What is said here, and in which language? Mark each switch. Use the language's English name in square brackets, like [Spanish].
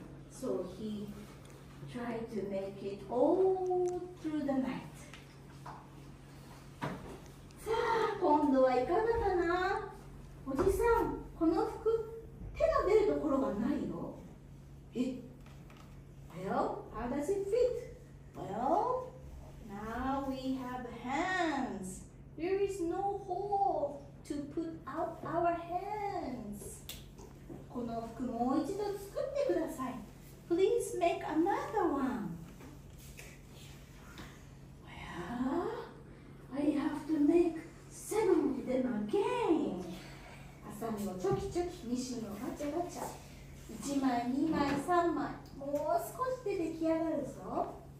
[English] So he tried to make it all through the night. [Japanese] さあ、今度はいかがかな？おじさん、この服、手が出るところがないよ。 [English] Well, how does it fit? Well, now we have hands. There is no hole to put out our hands. [Japanese] この服もう一度作ってください。 [English] Please make another one. Well, I have to make 7 of them again. [Japanese] ハサミをチョキチョキ、ミシンをガチャガチャ。1枚、2枚、3枚、もう少しで出来上がるぞ。